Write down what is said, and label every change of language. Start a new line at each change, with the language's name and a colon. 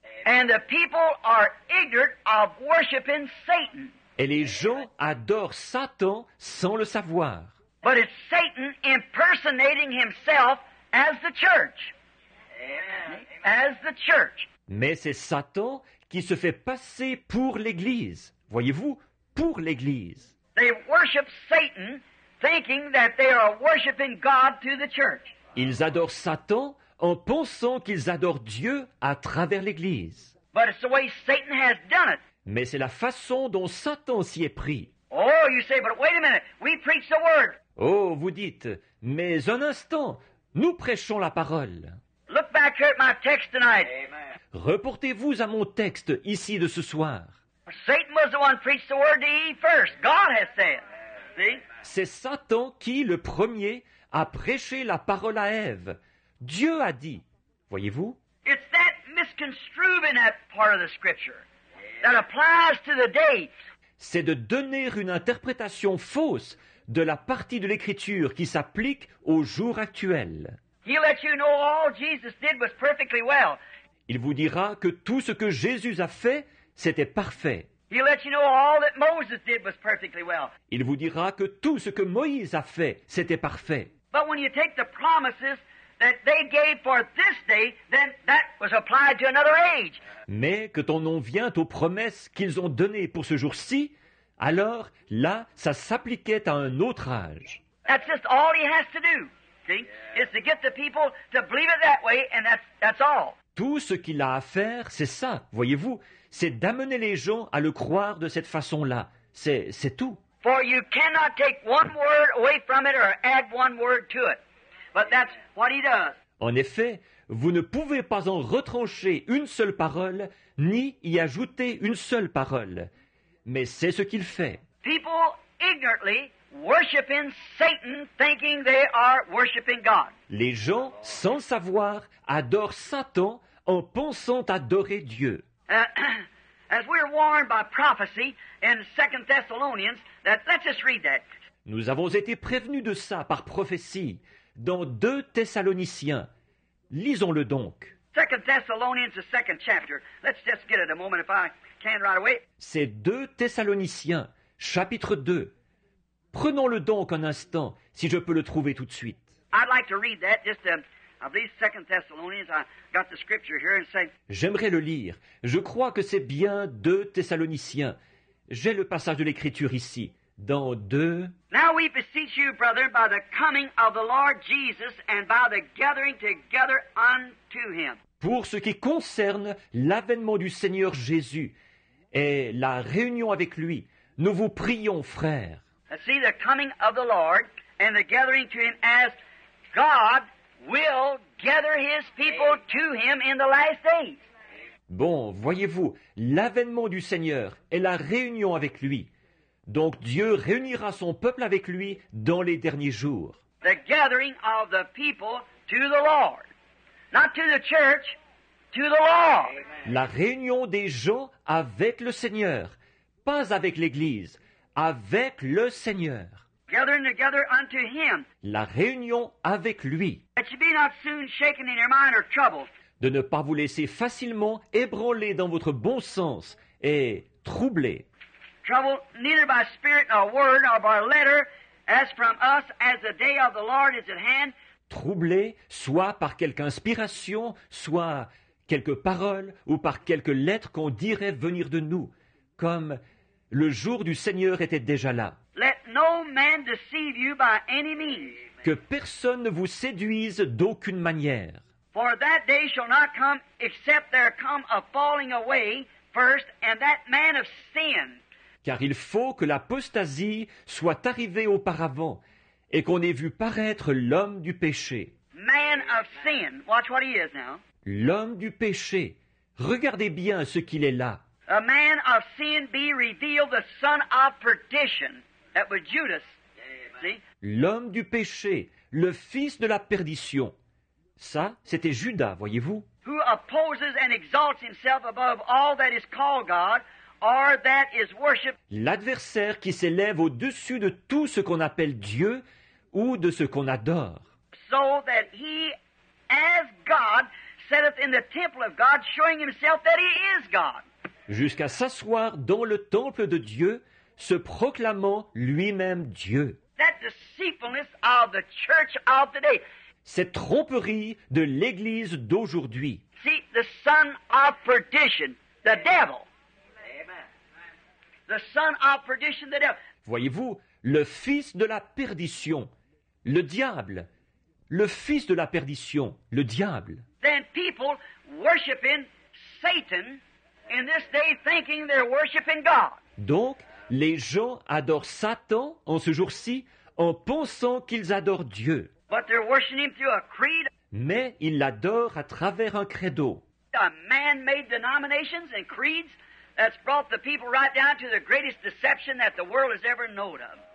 English: And the people are ignorant of worshiping Satan.
French: Et les gens adorent Satan sans le savoir.
English: But it's Satan impersonating himself as the church. As the church.
French: Mais c'est Satan qui se fait passer pour l'Église. Voyez-vous, pour l'Église.
English: They worship Satan thinking that they are worshiping God through the church.
French: Ils adorent Satan en pensant qu'ils adorent Dieu à travers l'Église.
English: But it's the way Satan has done it.
French: Mais c'est la façon dont Satan s'y est pris.
English: Oh, you say, but wait a minute, we preach the word.
French: Oh, vous dites, mais un instant, nous prêchons la parole.
English: Look back here at my text tonight. Amen.
French: Reportez-vous à mon texte ici de ce soir.
English: Satan was the one who preached the word to Eve first. God has said. See?
French: C'est Satan qui, le premier, a prêché la parole à Ève. Dieu a dit. Voyez-vous?
English: It's that misconstrued in that part of the scripture that applies to the day.
French: C'est de donner une interprétation fausse de la partie de l'Écriture qui s'applique au jour actuel.
English: He let you know all Jesus did was perfectly well.
French: Il vous dira que tout ce que Jésus a fait, c'était parfait.
English: He let you know all that Moses did was perfectly well.
French: Il vous dira que tout ce que Moïse a fait, c'était parfait.
English: But when you take the promises that they gave for this day, then that was applied to another age.
French: Mais que ton nom vient aux promesses qu'ils ont données pour ce jour-ci, alors là, ça s'appliquait à un autre âge.
English: That's just all he has to do. See? Is to get the people to believe it that way, and that's all.
French: Tout ce qu'il a à faire, c'est ça, voyez-vous, c'est d'amener les gens à le croire de cette façon-là. C'est tout.
English: For you cannot take one word away from it or add one word to it. But that's what he does.
French: En effet, vous ne pouvez pas en retrancher une seule parole, ni y ajouter une seule parole. Mais c'est ce qu'il fait.
English: People ignorantly worshiping Satan, thinking they are worshiping God.
French: Les gens, sans savoir, adorent Satan en pensant adorer Dieu.
English: As we're warned by prophecy in 2 Thessalonians, that let's just read that.
French: Nous avons été prévenus de ça par prophétie dans 2 Thessaloniciens. Lisons-le donc.
English: 2 Thessalonians, the second chapter. Let's just get it a moment if I can right away.
French: C'est 2 Thessaloniciens, chapitre 2. Prenons-le donc un instant, si je peux le trouver tout de suite.
English: I'd like to read that, just I believe 2 Thessalonians, I got the scripture here and say...
French: J'aimerais le lire. Je crois que c'est bien 2 Thessaloniciens. J'ai le passage de l'Écriture ici, dans 2...
English: Now we beseech you, brother, by the coming of the Lord Jesus and by the gathering together unto him.
French: Pour ce qui concerne l'avènement du Seigneur Jésus et la réunion avec lui, nous vous prions, frères.
English: See, the coming of the Lord and the gathering to him as God will gather his people to him in the last days.
French: Bon, voyez-vous, l'avènement du Seigneur est la réunion avec lui. Donc Dieu réunira son peuple avec lui dans les derniers jours.
English: The gathering of the people to the Lord. Not to the church, to the Lord. Amen.
French: La réunion des gens avec le Seigneur, pas avec l'Église. Avec le Seigneur.
English: Gathering together unto him.
French: La réunion avec lui.
English: That you be not soon shaken in your mind or troubled.
French: De ne pas vous laisser facilement ébranler dans votre bon sens et troubler.
English: Troubled neither by spirit nor word nor by letter, as from us, as the day of the Lord is at hand.
French: Troublé, soit par quelque inspiration, soit quelque parole ou par quelque lettre qu'on dirait venir de nous, comme le jour du Seigneur était déjà là.
English: Let no man deceive you by any means.
French: Que personne ne vous séduise d'aucune manière.
English: For that day shall not come except there come a falling away first, and that man of sin.
French: Car il faut que l'apostasie soit arrivée auparavant et qu'on ait vu paraître l'homme du péché.
English: Man of sin. Watch what he is now.
French: L'homme du péché. Regardez bien ce qu'il est là.
English: A man of sin be revealed, the son of perdition. That was Judas. See?
French: L'homme du péché, le fils de la perdition. Ça, c'était Judas, voyez-vous.
English: Who opposes and exalts himself above all that is called God or that is worshipped.
French: L'adversaire qui s'élève au-dessus de tout ce qu'on appelle Dieu ou de ce qu'on adore.
English: So that he, as God, setteth in the temple of God, showing himself that he is God.
French: Jusqu'à s'asseoir dans le temple de Dieu, se proclamant lui-même Dieu.
English: That deceitfulness of the church of today.
French: Cette tromperie de l'Église d'aujourd'hui.
English: See, the son of perdition, the devil. The son of perdition, the devil.
French: Voyez-vous, le fils de la perdition, le diable. Le fils de la perdition, le diable.
English: Then people worshiping Satan in this day thinking they're worshiping God.
French: Donc, les gens adorent Satan en ce jour-ci en pensant qu'ils adorent Dieu.
English: But they're worshiping him through a creed.
French: Mais ils l'adorent à travers un credo.
English: A man-made denominations and creeds that's brought the people right down to the greatest deception that the world has ever known of.